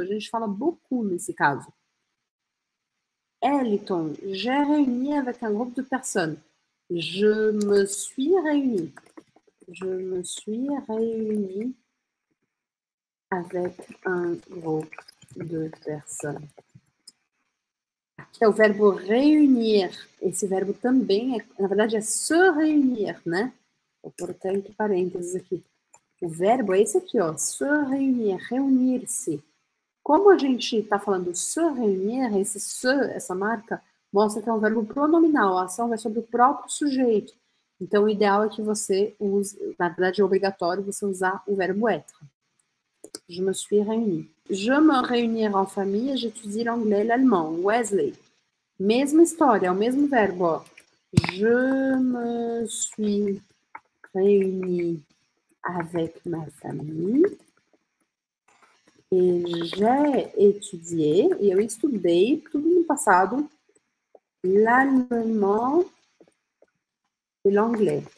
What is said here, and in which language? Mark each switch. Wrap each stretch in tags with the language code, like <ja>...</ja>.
<pt>A gente fala beaucoup nesse caso.</pt> <fr>Eliton, j'ai réuni avec un groupe de personnes. Je me suis réuni. Je me suis réuni avec un groupe de personnes.</fr> <pt>Aqui é o verbo réunir. Esse verbo também é, na verdade, é se réunir, né? Vou pôr até entre parênteses aqui. O verbo é esse aqui, ó. Se réunir, reunir-se. Como a gente está falando se réunir, esse se, essa marca, mostra que é um verbo pronominal. A ação vai sobre o próprio sujeito. Então, o ideal é que você use, na verdade, é obrigatório você usar o verbo être.</pt> <fr>Je me suis réuni. Je me réunir en famille, j'étudie l'anglais, l'allemand.</fr> <pt>Wesley. Mesma história, o mesmo verbo, ó.</pt> <fr>Je me suis réuni avec ma famille et j'ai étudié,</fr> <pt>e eu estudei, tudo no passado,</pt> <fr>l'allemand. L'anglais.</fr>